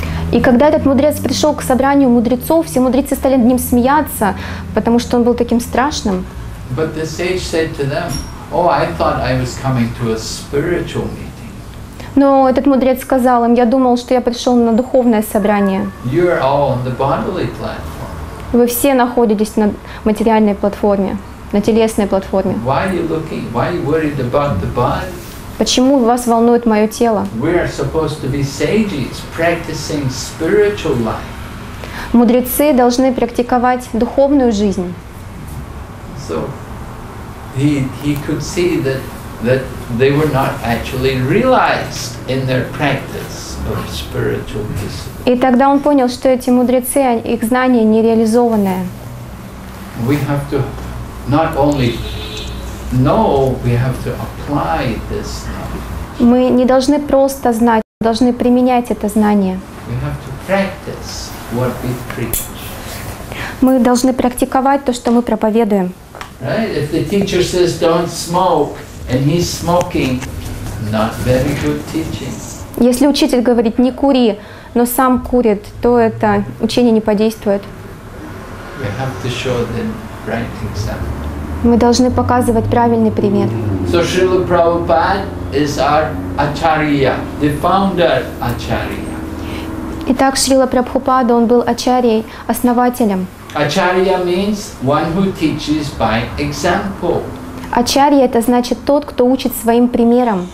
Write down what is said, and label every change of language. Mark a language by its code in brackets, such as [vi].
[ru] И когда этот мудрец пришел к собранию мудрецов, все мудрецы стали над ним смеяться, потому что он был таким страшным. [en] But the sage said to them, oh, I thought I was coming to a spiritual meeting. [ru] Но этот мудрец сказал им, я думал, что я пришел на духовное собрание. [en] You're all on the bodily platform. [ru] Вы все находитесь на материальной платформе, на телесной платформе. [en] Why are you looking? Why are you worried about the body? [ru] Почему вас волнует мое тело? [en] We are supposed to be sages practicing spiritual life. [ru] мудрецы должны практиковать духовную жизнь. [en] So he could see that they were not actually realized in their practice of spiritual discipline. [ru] И тогда он понял, что эти мудрецы, их знания не реализованы. [en] We have to not only know, we have to apply this knowledge. [ru] Мы не должны просто знать, мы должны применять это знание. [en] We have to practice what we preach. [ru] Мы должны практиковать то, что мы проповедуем. [en] Right? If the teacher says don't smoke, and he's smoking, not very good teaching. [ru] Если учитель говорит не кури, но сам курит, то это учение не подействует. [en] We have to show the right example. [ru] Мы должны показывать правильный пример. [en] So Srila Prabhupada is our acharya, the founder acharya. [ru] Итак, Шрила Прабхупада, он был ачарьей, основателем. [en] Acharya means one who teaches by example. [ru] Ачарья — это значит тот, кто учит своим примером.